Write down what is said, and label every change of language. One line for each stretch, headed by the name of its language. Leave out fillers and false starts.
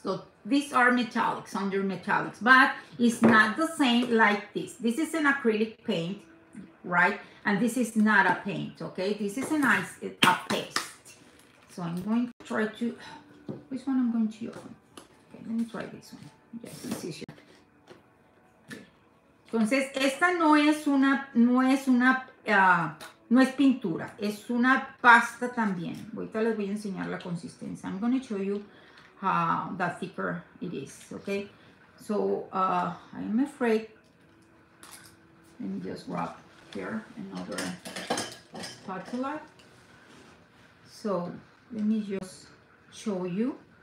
English: So these are metallics, under metallics, but it's not the same like this. This is an acrylic paint, right? And this is not a paint, okay? This is an ice, a paste. So I'm going to try to, which one I'm going to open? Okay, let me try this one. Yes, it's easier.
Spanish: Entonces, esta no es pintura, es una pasta también. Ahorita les voy a enseñar la consistencia.
English: I'm going to show you how the thicker it is, okay? So, I am afraid, let me just grab here another spatula. So, let me just show you.